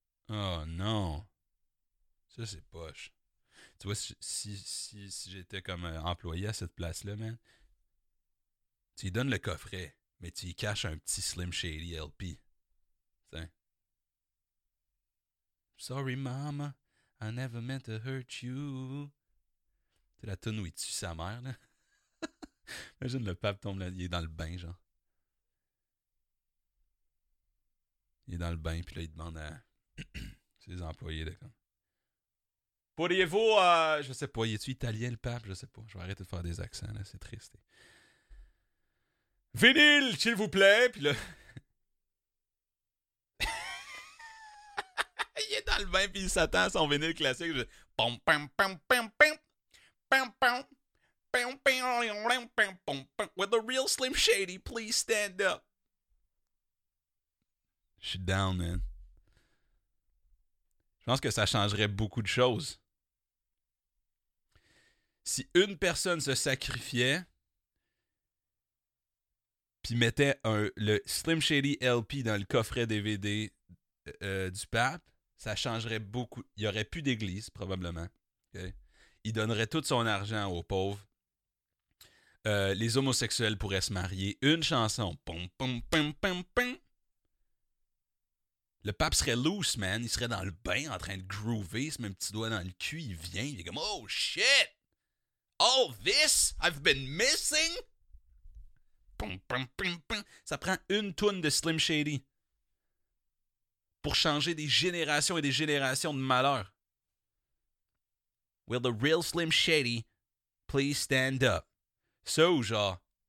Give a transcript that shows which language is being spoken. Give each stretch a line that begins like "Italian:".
French: Oh non. Ça, c'est poche. Tu vois, si j'étais comme employé à cette place-là, man, tu lui donnes le coffret, mais tu y caches un petit Slim Shady LP. Tiens.
English: Sorry, mama. I never meant to hurt you.
French: C'est la toune où il tue sa mère, là. Imagine le pape tombe là. Il est dans le bain, genre. Il est dans le bain, puis là, il demande à ses employés, là. Comme... Pourriez-vous, je sais pas, es-tu italien, le pape? Je sais pas. Je vais arrêter de faire des accents, là. C'est triste. Vinyle, s'il vous plaît, puis là. Il est dans le bain puis il s'attend à son vinyle classique. Je... Pom pom pom pom pom pom pom pom pom pom pom pom.
English: With the real Slim Shady, please stand up.
French: Je suis down, man. Je pense que ça changerait beaucoup de choses. Si une personne se sacrifiait puis mettait le Slim Shady LP dans le coffret DVD du pape, ça changerait beaucoup. Il n'y aurait plus d'église, probablement. Okay? Il donnerait tout son argent aux pauvres. Les homosexuels pourraient se marier. Une chanson. Pum, pum, pum, pum, pum. Le pape serait loose, man. Il serait dans le bain en train de groover. Il se met un petit doigt dans le cul. Il vient. Il est comme,
English: oh shit! All this I've been missing? Pum, pum, pum, pum.
French: Ça prend une toune de Slim Shady pour changer des générations et des générations de malheur.
English: Will the real Slim Shady please stand up? So, genre.